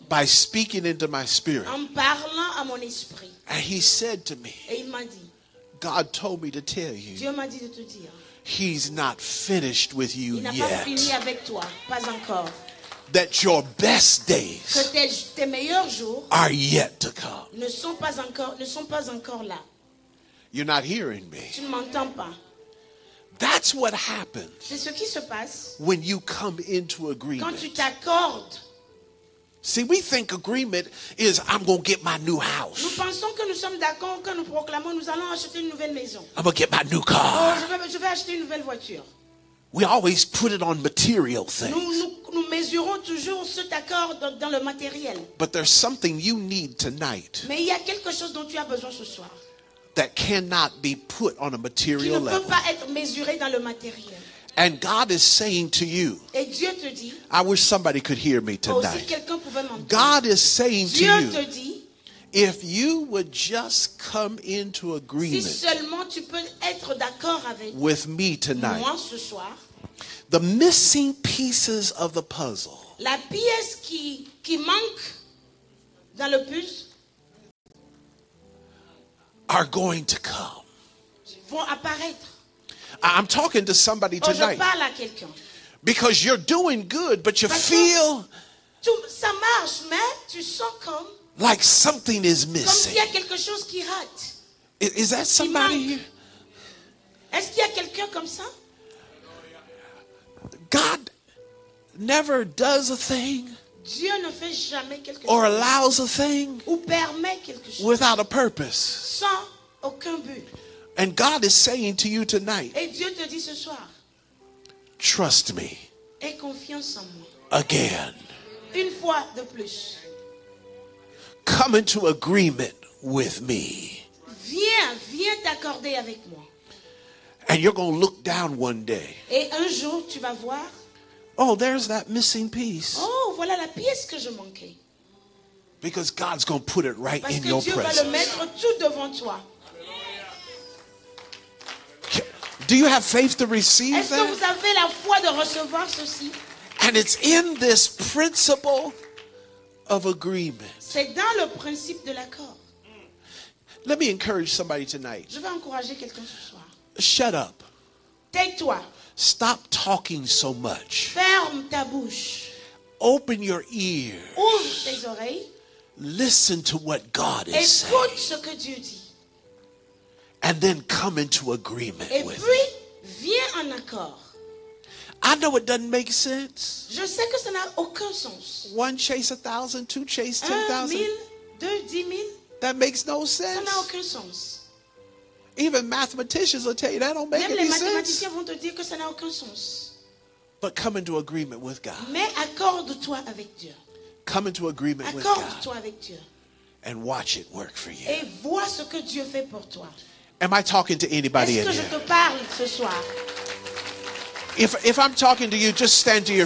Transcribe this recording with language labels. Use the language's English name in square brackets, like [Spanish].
[English] by speaking into my spirit. [French] En parlant à mon esprit. [English] And he said to me, [French] et il m'a dit, [English] God told me to tell you, [French] Dieu m'a dit de te dire, [English] he's not finished with you [French] il n'a [English] yet. [French] Pas fini avec toi, pas encore. [English] That your best days [French] que tes meilleurs jours [English] are yet to come. [French] Ne sont pas encore là. [English] You're not hearing me. [French] Tu ne m'entends pas. [English] That's what happens. [French] C'est ce qui se passe [English] when you come into agreement. [French] Quand tu t'accordes. [English] See, we think agreement is I'm going to get my new house. [French] Nous pensons que nous sommes d'accord quand nous proclamons nous allons acheter une nouvelle maison. [English] I'm going to get my new car. [French] Oh, je vais acheter une nouvelle voiture. [English] We always put it on material things. [French] Nous mesurons toujours cet accord dans le matériel. [English] But there's something you need tonight. [French] Mais il y a quelque chose dont tu as besoin ce soir. [English] That cannot be put on a material level. [French] Qui ne peut pas être mesuré dans le matériel. [English] And God is saying to you. [French] Et Dieu te dit. [English] I wish somebody could hear me tonight. [French] Si quelqu'un pouvait m'entendre. [English] God is saying to you. [French] Dieu te dit. [English] If you would just come into agreement [French] si seulement tu peux être d'accord avec [English] with me tonight, [French] moi ce soir, [English] the missing pieces of the puzzle, [French] la pièce qui manque dans le puzzle, [English] are going to come. [French] Vont apparaître. [English] I'm talking to somebody tonight. [French] Oh, je parle à quelqu'un. [English] Because you're doing good, but you [French] parce [English] feel [French] tout, ça marche, mais tu sens comme [English] like something is missing. [French] Comme s'il y a quelque chose qui rate. [English] Is that somebody here? [French] Est-ce qu'il y a quelqu'un comme ça? [English] God never does a thing. [French] Dieu ne fait jamais quelque chose. [English] Or allows a thing. [French] Ou permet quelque chose. [English] Without a purpose. [French] Sans aucun but. [English] And God is saying to you tonight. [French] Et Dieu te dit ce soir. [English] Trust me. [French] Aie confiance en moi. [English] Again. [French] Une fois de plus. [English] Come into agreement with me. [French] Viens t'accorder avec moi. [English] And you're going to look down one day. [French] Et un jour, tu vas voir. [English] Oh, there's that missing piece. [French] Oh, voilà la pièce que je manquais. [English] Because God's going to put it right [French] parce [English] in your [French] Dieu [English] presence. [French] Parce que Dieu va le mettre tout devant toi. [English] Do you have faith to receive [French] est-ce [English] that? [French] Est-ce que vous avez la foi de recevoir ceci? [English] And it's in this principle of agreement. [French] C'est dans le principe de l'accord. [English] Let me encourage somebody tonight. [French] Je vais encourager quelqu'un ce soir. [English] Shut up. [French] Tais-toi. [English] Stop talking so much. [French] Ferme ta bouche. [English] Open your ears. [French] Ouvre tes oreilles. [English] Listen to what God is [French] écoute [English] saying. [French] Écoute ce que Dieu dit. [English] And then come into agreement [French] et [English] with [French] puis, [English] it. [French] Viens en accord. [English] I know it doesn't make sense. [French] Je sais que ça n'a aucun sens. [English] One chase 1,000, two chase 10,000. [French] 1,000, 2,000, 10,000. [English] That makes no sense. [French] Ça n'a aucun sens. [English] Even mathematicians will tell you that don't make [French] même [English] any [French] les [English] sense. [French] Mathématiciens vont te dire que ça n'a aucun sens. [English] But come into agreement with God. [French] Mais accorde-toi avec Dieu. [English] Come into agreement [French] accorde-toi [English] with God. [French] Accorde-toi avec Dieu. [English] And watch it work for you. [French] Et vois ce que Dieu fait pour toi. [English] Am I talking to anybody [French] est-ce [English] in here? [French] Est-ce que je te parle ce soir? [English] If I'm talking to you, just stand to your